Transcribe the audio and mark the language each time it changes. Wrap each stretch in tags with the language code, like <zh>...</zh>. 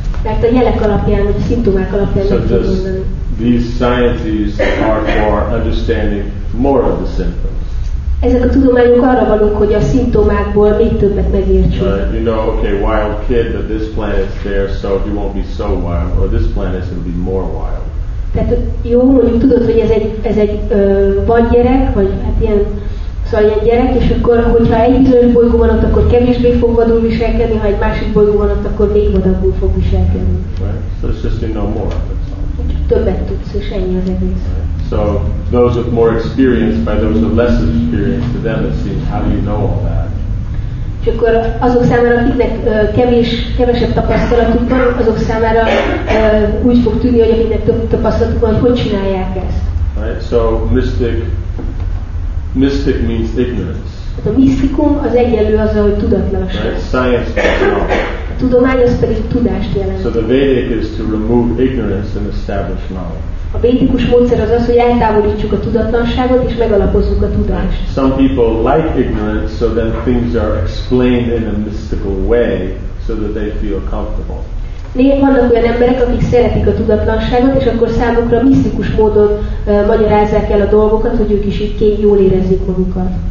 <hu>Mert a jelek alapján, vagy a szimptomák alapján meg tud mondani.</hu> <en>These sciences are for understanding more of the symptoms.</en> <hu>Ezek a tudományok arra valók, hogy a szimptomákból még többet megértsünk.</hu> <en>You know, okay, wild kid, but this planet's there, so he won't be so wild, or this planet's gonna be more wild.</en> <hu>Tehát jó, mondjuk tudod, hogy ez egy vad gyerek, vagy hát ilyen, szóval ilyen gyerek, és akkor, hogyha egy bizonyos bolygó van ott, akkor kevésbé fog vadul viselkedni, ha egy másik bolygó van ott, akkor még vadabbul fog viselkedni.</hu> <en>Right. So it's just you know more.</en> <hu>Többet tudsz, és ennyi az egész.</hu> <en>So those with more experience, by those with less experience, to them it seems, how do you know all that?</en> <hu>És akkor azok számára, akiknek kevesebb tapasztalatuk van, azok számára úgy fog tűnni, hogy akiknek több tapasztalatuk van, hogy csinálják ezt.</hu> <en>Right. So mystic means ignorance.</en> <hu>Hát a misztikum az egyenlő azzal, hogy tudatlanság.</hu> <en>Right. Science means knowledge.</en> <hu>Tudomány az pedig tudást jelent.</hu> <en>So the Vedic is to remove ignorance and establish knowledge.</en> <hu>A védikus módszer az, hogy eltávolítsuk a tudatlanságot és megalapozzuk a tudást.</hu> <en>Some people like ignorance, so then things are explained in a mystical way, so that they feel comfortable.</en> <hu>Vannak olyan emberek, akik szeretik a tudatlanságot, és akkor számukra misztikus módon magyarázzák el a dolgokat, hogy ők is így jól érezzék magukat.</hu>